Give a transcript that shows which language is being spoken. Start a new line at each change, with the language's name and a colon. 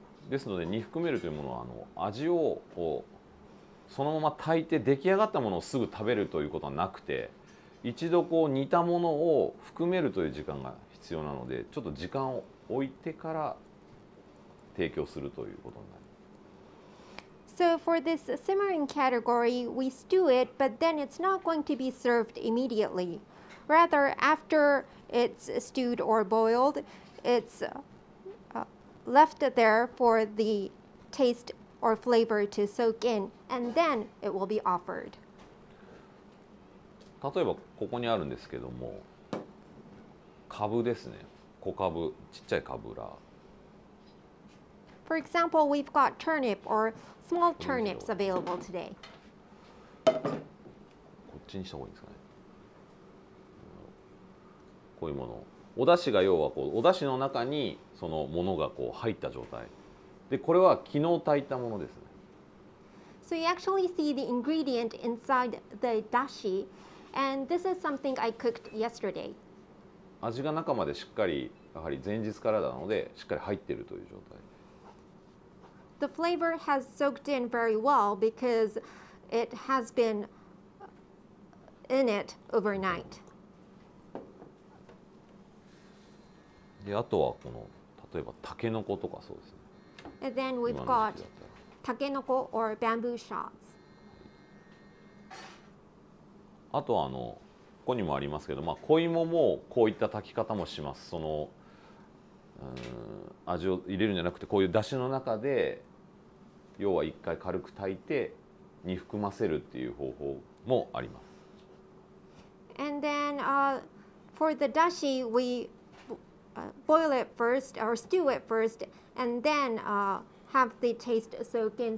Japanese: ですので煮含めるというものはあの味をこうそのまま炊いて出来上がったものをすぐ食べるということはなくて一度こう煮たものを含めるという時間が必要なのでちょっと時間を置いてから提供するということになる。
English: So for this simmering category, we stew it, but then it's not going to be served immediately. Rather, after it's stewed or boiled, it's left there for the taste or flavor to soak in, and then it will be offered.
Japanese: 例えばここにあるんですけども、カブですね。小カブ、ちっちゃいカブラ。
English: For example, we've got turnip or small turnips available today.
Japanese: こっちにした方がいいですかね。こういうもの。お出汁が要はこうお出汁の中にそのものがこう入った状態。で、これは昨日炊いたものですね。
English: So you actually see the ingredient inside the dashi, and this is something I cooked yesterday.
Japanese: 味が中までしっかり、やはり前日からなので、しっかり入っているという状態。
English: The flavor has soaked in very well because it has been in it overnight.
Japanese: で、あとはこの、例えばタケノコとかそうですね。
English: And then we've got タケノコ or bamboo shots.
Japanese: あとはあの、ここにもありますけど、まあ、小芋もこういった炊き方もします。その、味を入れるんじゃなくて、こういう出汁の中で要は一回軽く炊いて煮含ませるっていう方法もあります。
English: And then, for the dashi, we boil it first or stew it first, and then have the taste soak in.